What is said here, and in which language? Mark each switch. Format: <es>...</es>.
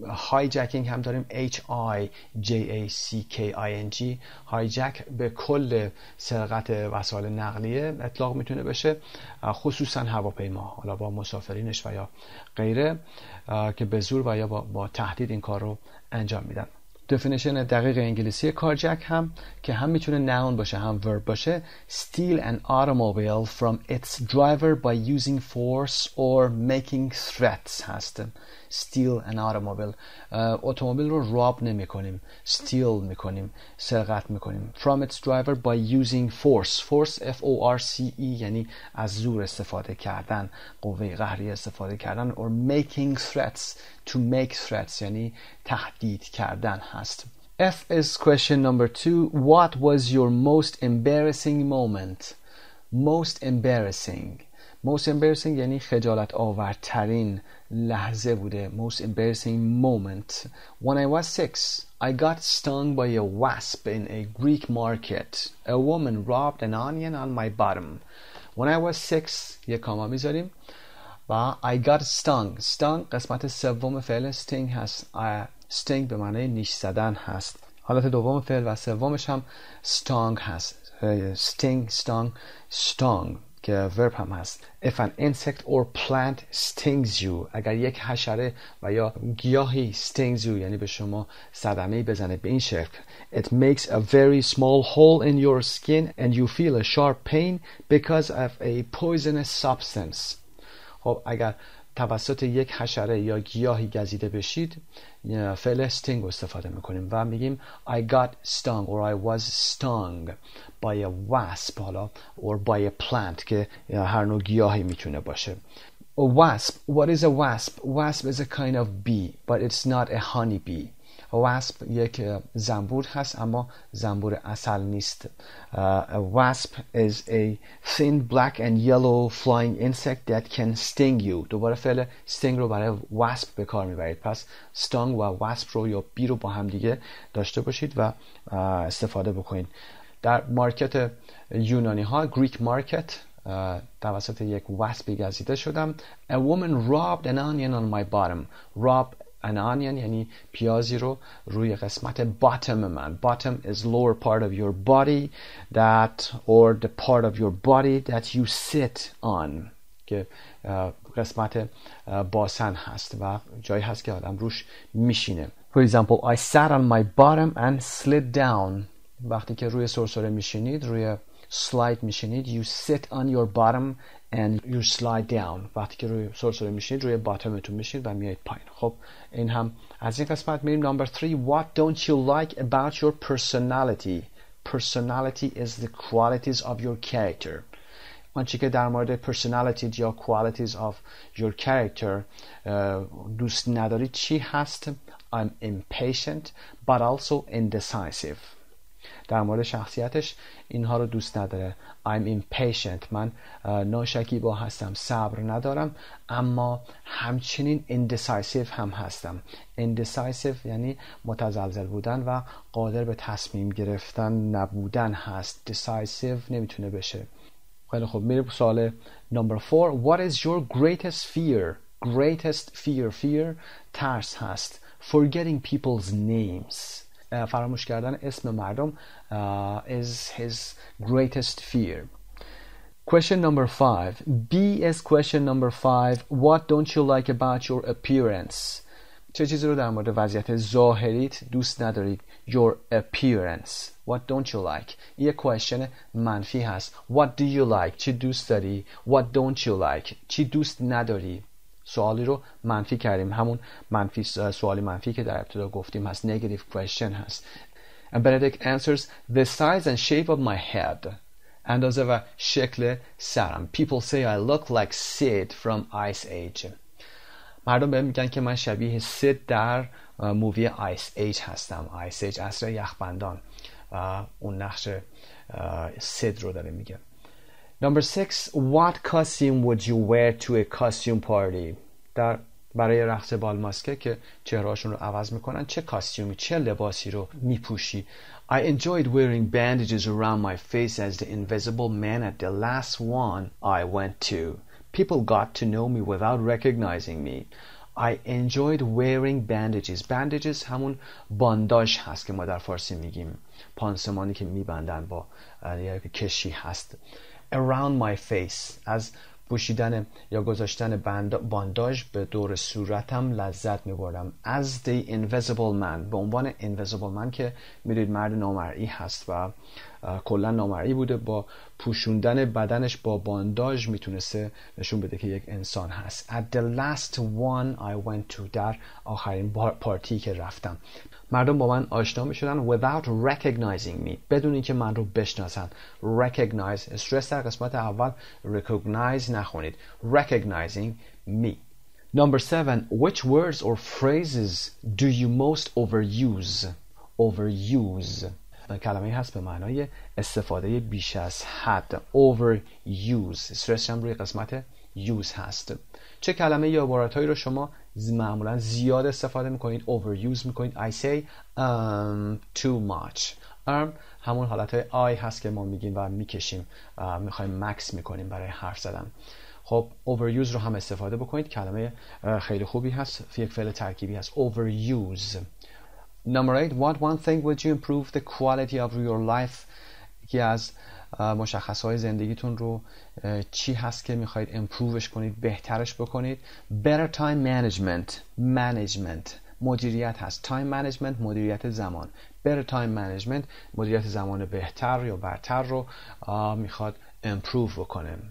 <fa>Hijacking هم داریم, H-I-J-A-C-K-I-N-G. Hijack به کل سرقت وسایل نقلیه اطلاق میتونه بشه, خصوصا هواپیما, حالا با مسافرینش و یا غیره که به زور و یا با تهدید این کار رو انجام میدن.</fa> <en>Definition</en> <fa>دقیق انگلیسی</fa> <en>carjack</en> <fa>هم که هم میتونه</fa> <en>noun</en> <fa>باشه هم</fa> <en>verb</en> <fa>باشه,</fa> <en>steal an automobile from its driver by using force or making threats</en> <fa>هست.</fa> <en>Steal an automobile,</en> <fa>اتومبیل رو rob نمی کنیم, steal می کنیم, سرقت می کنیم.</fa> <en>From its driver by using force,</en> <fa>force F-O-R-C-E یعنی از زور استفاده کردن, قوه قهری استفاده کردن.</fa> <en>Or making threats, to make threats</en> <fa>یعنی تهدید کردن هست.</fa> <en>F is question number 2. What was your most embarrassing moment? Most embarrassing, most embarrassing یعنی خجالت آورترین لحظه بوده. Most embarrassing moment. When I was 6, I got stung by a wasp in a Greek market. A woman rubbed an onion on my bottom. When I was 6,</en> <fa>یه کاما میذاریم و</fa> <en>I got stung.</en> <fa>Stung قسمت سوم فعل sting هست. Sting به معنی نیش زدن هست. حالت دوم فعل و سومش هم stung هست. Sting, stung, stung که ورب هم هست.</fa> <en>If an insect or plant stings you,</en> <fa>اگر یک حشره و یا گیاهی</fa> <en>stings you</en> <fa>یعنی به شما صدمه بزنه به این شکل,</fa> <en>it makes a very small hole in your skin and you feel a sharp pain because of a poisonous substance.</en> <fa>خب اگر توسط یک حشره یا گیاهی گزیده بشید فعل sting استفاده میکنیم و میگیم</fa> <en>I got stung or I was stung by a wasp</en> <fa>حالا</fa> <en>or by a plant</en> <fa>که هر نوع گیاهی میتونه باشه.</fa> <en>A wasp, what is a wasp? Wasp is a kind of bee but it's not a honey bee.</en> <fa>A wasp یک زنبور هست اما زنبور اصل نیست.</fa> <en>A wasp is a thin black and yellow flying insect that can sting you.</en> <fa>دوباره فعل sting رو برای wasp به کار میبرید, پس stung و wasp رو یا bee رو با هم دیگه داشته باشید و استفاده بکنید. در مارکت یونانی ها, Greek market, توسط یک wasp گزیده شدم.</fa> <en>A woman robbed an onion on my bottom. Rob an onion</en> <fa>یعنی پیازی رو روی قسمت bottom من.</fa> <en>Bottom is lower part of your body that or the part of your body that you sit on,</en> <fa>که قسمت باسن هست و جایی هست که آدم روش میشینه.</fa> <en>For example, I sat on my bottom and slid down.</en> <fa>وقتی که روی سرسره میشینید, روی</fa> <en>slide</en> <fa>میشینید,</fa> <en>you sit on your bottom and you slide down.</en> <fa>وقتی که روی سرسره میشینید, روی باتمتون میشینید و میایید پایین. خب این هم از این قسمت. میریم نمبر 3.</fa> <en>What don't you like about your personality? Personality is the qualities of your character.</en> <fa>آنچه که در مورد personality یا</fa> <en>qualities of your character</en> <fa>دوست نداری چی هست؟</fa> <en>I'm impatient but also indecisive.</en> <fa>در مورد شخصیتش اینها رو دوست نداره.</fa> <en>I'm impatient,</en> <fa>من ناشکیبا هستم, صبر ندارم, اما همچنین indecisive هم هستم. Indecisive یعنی متزلزل بودن و قادر به تصمیم گرفتن نبودن هست. Decisive نمیتونه بشه. خیلی خب, میره سوال نمبر 4.</fa> <en>What is your greatest fear? greatest fear, fear</en> <fa>ترس هست.</fa> <en>Forgetting people's names,</en> <fa>فراموش کردن اسم مردم</fa> <en>is his greatest fear. Question number 5. B is question number 5. What don't you like about your appearance?</en> <fa>چه چیزی رو در مورد وضعیت ظاهریت دوست ندارید؟</fa> <en>Your appearance. What don't you like?</en> <fa>یه question منفی هست.</fa> <en>What do you like?</en> <fa>چی دوست داری؟</fa> <en>What don't you like?</en> <fa>چی دوست نداری؟ سوالی رو منفی کردیم. همون منفی سوالی منفی که در ابتدا گفتیم هست.</fa> <en>Negative question هست. And Benedict answers, the size and shape of my head.</en> <fa>اندازه و شکل سرم.</fa> <en>People say I look like Sid from Ice Age.</en> <fa>مردم بهم میگن که من شبیه سید در مووی آیس ایج هستم. آیس ایج عصر یخبندان. اون نقش سید رو داره میگه. Number 6.</fa> <en>What costume would you wear to a costume party?</en> <fa>در برای رقص بال ماسکه که چهرهاشون رو عوض میکنن چه کاستیومی چه لباسی رو میپوشی؟</fa> <en>I enjoyed wearing bandages around my face as the invisible man at the last one I went to. People got to know me without recognizing me. I enjoyed wearing bandages.</en> <fa>Bandages همون بانداج هست که ما در فارسی میگیم. پانسمانی که میبندن با کشی هست.</fa> <en>Around my face.</en> <fa>از پوشیدن یا گذاشتن بانداج به دور صورتم لذت میبردم.</fa> <en>As the invisible man.</en> <fa>به عنوان invisible man که میدونید مرد نامرئی هست و کلن نامرئی بوده، با پوشوندن بدنش با بانداج میتونسته نشون بده که یک انسان هست.</fa> <en>At the last one I went to.</en> <fa>در آخرین پارتی که رفتم مردم با من آشنا میشدن.</fa> <en>Without recognizing me.</en> <fa>بدون اینکه من رو بشناسن. Recognize. استرس در قسمت اول recognize نخونید.</fa> <en>Recognizing me. Number 7. Which words or phrases do you most overuse? Overuse.</en> <fa>کلمه هست به معنای استفاده بیش از حد.</fa> <en>Overuse.</en> <fa>استرس هم روی قسمت use هست. چه کلمه یا عبارت هایی رو شما معمولا زیاد استفاده میکنید؟ Overuse میکنید.</fa> <en>I say too much.</en> <fa>همون حالت های I هست که ما میگیم و میکشیم، میخواییم مکس میکنیم برای حرف زدن. خب overuse رو هم استفاده بکنید. کلمه خیلی خوبی هست، یک فعل ترکیبی هست.</fa> <en>Overuse. Number 8. What one thing would you improve the quality of your life?</en> <fa>یکی از مشخصهای زندگیتون رو چی هست که میخواید امپروفش کنید، بهترش بکنید؟</fa> <en>Better time management.</en> <fa>Management مدیریت هست. Time management مدیریت زمان.</fa> <en>Better time management</en> <fa>مدیریت زمان بهتر یا برتر رو میخواد امپروف بکنه.</fa>